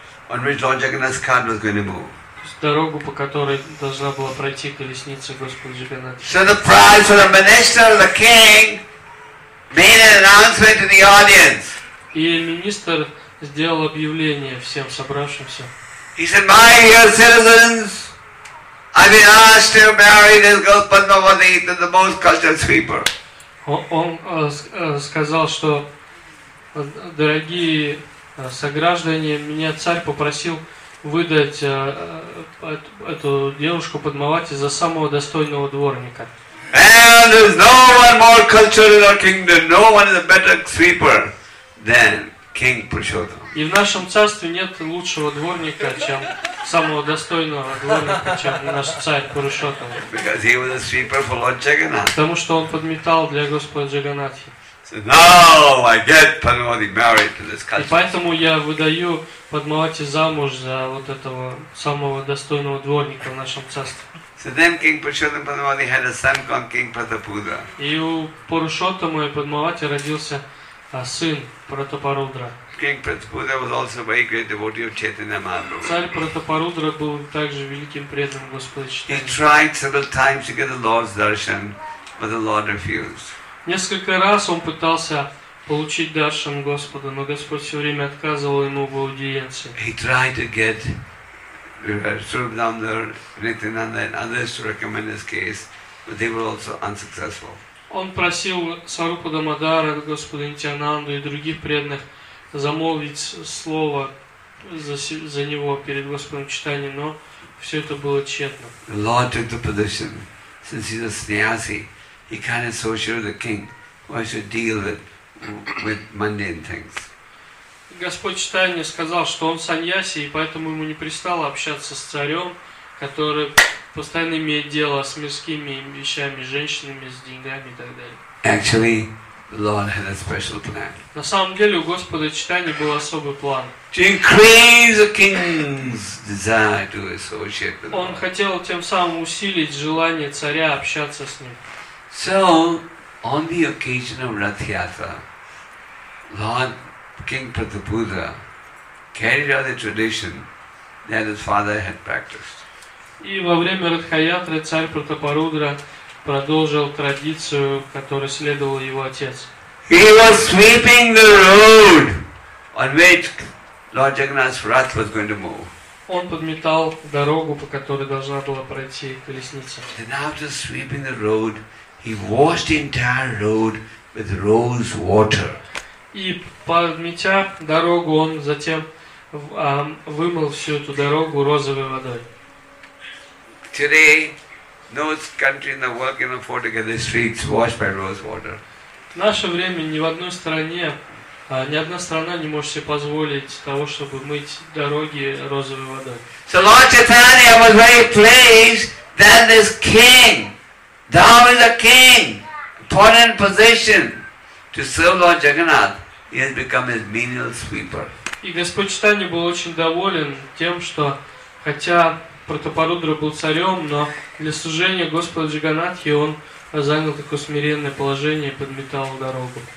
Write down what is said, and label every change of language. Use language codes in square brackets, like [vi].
[en] On which Lord Jagannath's cart was going to move. [ru] Дорогу, по которой должна была пройти колесница Господа Джаганнатхи. [en] So the prize for the minister, the king, made an announcement to the audience. [ru] И министр сделал объявление всем собравшимся. [en] He said, my dear citizens, I've been asked to marry this girl, Padmavati, to the most cultured sweeper. [ru] Он сказал, что, дорогие сограждане, меня царь попросил выдать эту девушку Падмавати за самого достойного дворника. [en] And there's no one more cultured in our kingdom, no one is a better sweeper than King Purushottam. [ru] И в нашем царстве нет лучшего дворника, чем самого достойного дворника, чем наш царь Пурушоттам. [en] Because he was a sweeper for Lord Jagannath. [ru] Потому что он подметал для Господа Джаганатхи. [en] So now I get Padmavati married to this culture. [ru] И поэтому я выдаю Падмавати замуж за вот этого самого достойного дворника в нашем царстве. [en] So then King Purushottam and Padmavati had a son called King Pratapudra. [ru] И у Пурушоттама и Падмавати родился сын Пратапарудра. [en] King Pratapudra was also a very great devotee of Chaitanya Mahaprabhu. [ru] Царь Пратапарудра был также великим преданным Господа Чайтаньи. [en] He tried several times to get the Lord's darshan, but the Lord refused. [ru] Несколько раз он пытался получить даршан Господа, но Господь все время отказывал ему в аудиенции. [en] He tried to get Surabhananda, Nityananda and others to recommend his case, but they were also unsuccessful. [ru] Он просил Сарупа Дамодара, Господа Нитьянанду и других преданных замолвить слово за него перед Господом Чайтаньей, но все это было тщетно. [en] The Lord took the position, since he's a sannyasi, he can't associate with the king, who has to deal with mundane things. [ru] Господь Чайтанья сказал, что он саньяси, и поэтому ему не пристало общаться с царем, который постоянно имеет дело с мирскими вещами, с женщинами, с деньгами и так далее. [en] Actually, the Lord had a special plan. [ru] На самом деле у Господа Чайтаньи был особый план. [en] To increase the king's desire to associate with the Lord. [ru] Он хотел тем самым усилить желание царя общаться с ним. [en] So, on the occasion of Rath Yatra, Lord King Pratapudra carried out the tradition that his father had practiced. [ru] И во время Радхаятры царь Пратапарудра продолжил традицию, которой следовал его отец. [en] He was sweeping the road on which Lord Jagannath's rath was going to move. [ru] Он подметал дорогу, по которой должна была пройти колесница. [en] Then after sweeping the road, he washed the entire road with rose water. [ru] И подметя дорогу, он затем вымыл всю эту дорогу розовой водой. [en] Today, no country in the world can afford to get the streets washed by rose water. [ru] В наше время ни в одной стране, ни одна страна не может себе позволить того, чтобы мыть дороги розовой водой. [en] So Lord Chaitanya was very pleased that this king, down in the king, put in position to serve Lord Jagannath. He has become his menial sweeper. [ru] И Господь Чайтанья был очень доволен тем, что хотя Пратапарудра был царем, но для служения Господа Джаганатхи он занял такое смиренное положение и подметал дорогу.